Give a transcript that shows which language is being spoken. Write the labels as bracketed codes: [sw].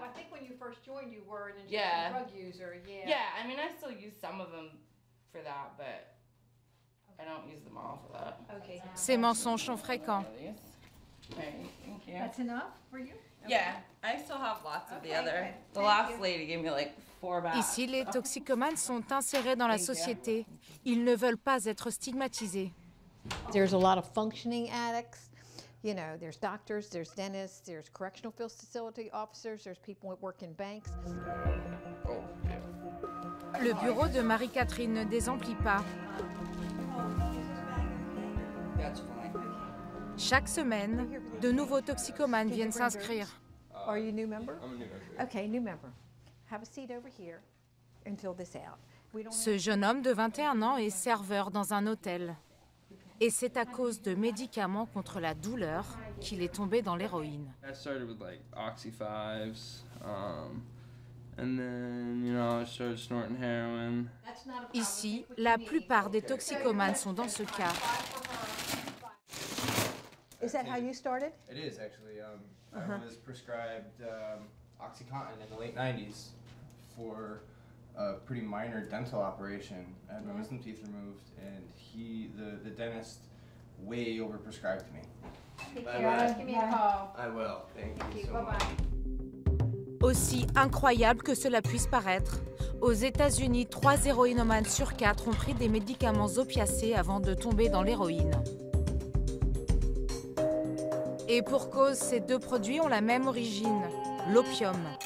[en] I think when you first joined, you were an injection drug user. Yeah. Yeah. I mean, I still use some of them for that, but I don't use them all for that. Okay. [fr] Ces mensonges sont fréquents. [en] Okay, thank you. That's enough for you? Yeah, okay. I still have lots of the other. The last lady gave me like 4 bags. [fr] Ici, les toxicomanes sont insérés dans la société. Ils ne veulent pas être stigmatisés. [en] There's a lot of functioning addicts. You know, there's doctors, there's dentists, there's correctional facility officers, there's people that work in banks. [fr] Le bureau de Marie-Catherine ne désemplit pas. Chaque semaine, de nouveaux toxicomanes viennent s'inscrire. [en] Are you a new member? I'm a new member. Okay, new member. Have a seat over here until this out. [fr] Ce jeune homme de 21 ans est serveur dans un hôtel. Et c'est à cause de médicaments contre la douleur qu'il est tombé dans l'héroïne. [en] I started with like Oxy-5s, and then, you know, I started snorting heroin. [fr] Ici, la plupart des toxicomanes sont dans ce cas. [en] Is that how you started? It is, actually. I was prescribed OxyContin in the late 90s for a pretty minor dental operation. I had my wisdom teeth removed, and the dentist way over-prescribed me. Bye-bye. Give me a call. I will. Thank you so bye-bye. [fr] Aussi incroyable que cela puisse paraître, aux États-Unis, 3 héroïnomanes sur 4 ont pris des médicaments opiacés avant de tomber dans l'héroïne. Et pour cause, ces deux produits ont la même origine, l'opium.